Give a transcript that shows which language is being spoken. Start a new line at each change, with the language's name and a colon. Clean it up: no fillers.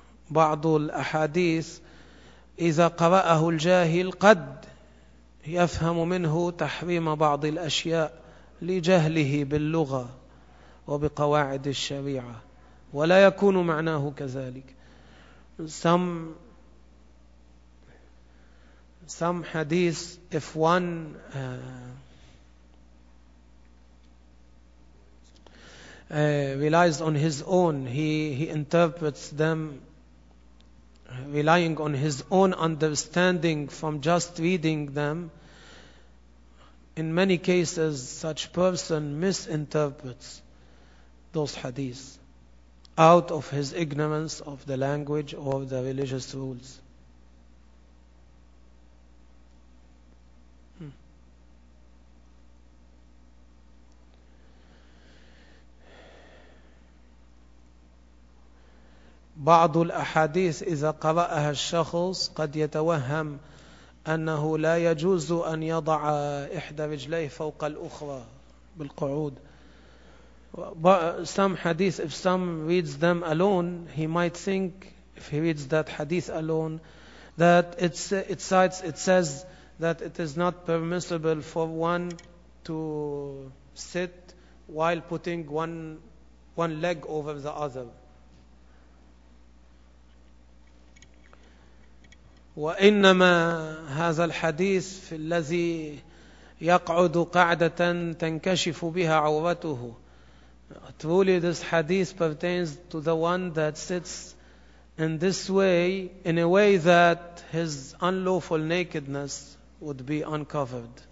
Arabic: بعض الأحاديث إذا قرأه الجاهل قد يفهم منه تحريم بعض الأشياء لجهله باللغة وبقواعد الشريعة ولا يكون معناه كذلك.
English: Some hadith, if one relies on his own, he interprets them relying on his own understanding from just reading them, in many cases such person misinterprets those hadiths out of his ignorance of the language or the religious rules.
Arabic: بعض الأحاديث إذا قرأها الشخص قد يتوهم أنه لا يجوز أن يضع إحدى رجليه فوق الأخرى بالقعود.
English: But some hadith, if some reads them alone, he might think, if he reads that hadith alone, that it says that it is not permissible for one to sit while putting one leg over the other.
Arabic: وإنما هذا الحديث في الذي يقعد قعدة تنكشف بها عورته.
English: Truly this hadith pertains to the one that sits in this way, in a way that his unlawful nakedness would be uncovered.